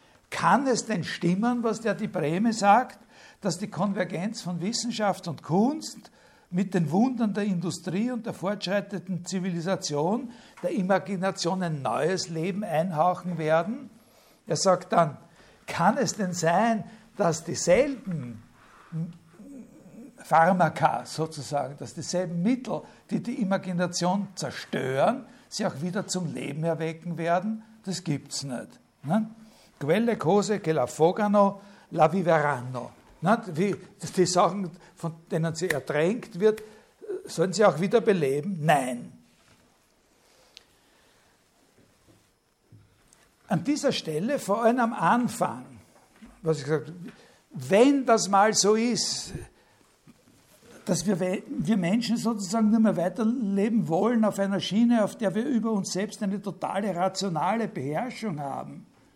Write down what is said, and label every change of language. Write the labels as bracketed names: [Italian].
[German] Kann es denn stimmen, was der die Breme sagt, dass die Konvergenz von Wissenschaft und Kunst mit den Wundern der Industrie und der fortschreitenden Zivilisation der Imagination ein neues Leben einhauchen werden? Er sagt dann, kann es denn sein, dass dieselben Pharmaka sozusagen, dass dieselben Mittel, die die Imagination zerstören, sie auch wieder zum Leben erwecken werden? Das gibt's nicht. Ne? [Italian] Quelle cose che la fogano la viveranno. [German] Ne? Wie die Sachen, von denen sie ertränkt wird, sollen sie auch wieder beleben? Nein. An dieser Stelle, vor allem am Anfang, was ich gesagt habe, wenn das mal so ist, dass wir Menschen sozusagen nicht mehr weiterleben wollen auf einer Schiene, auf der wir über uns selbst eine totale rationale Beherrschung haben,